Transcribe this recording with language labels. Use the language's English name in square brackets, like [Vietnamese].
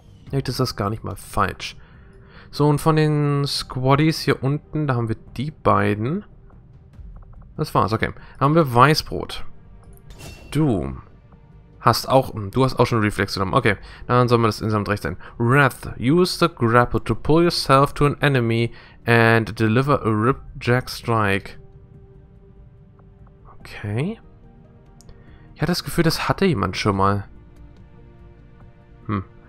[German] Vielleicht ist das gar nicht mal falsch. So, und von den Squaddies hier unten, da haben wir die beiden. Das war's, okay. Haben wir Weißbrot. Du hast auch schon Reflex genommen. Okay, dann soll man das insgesamt recht sein. [English] Wrath, use the grapple to pull yourself to an enemy and deliver a ripjack strike. Okay. [German] Ich hatte das Gefühl, das hatte jemand schon mal. Hm.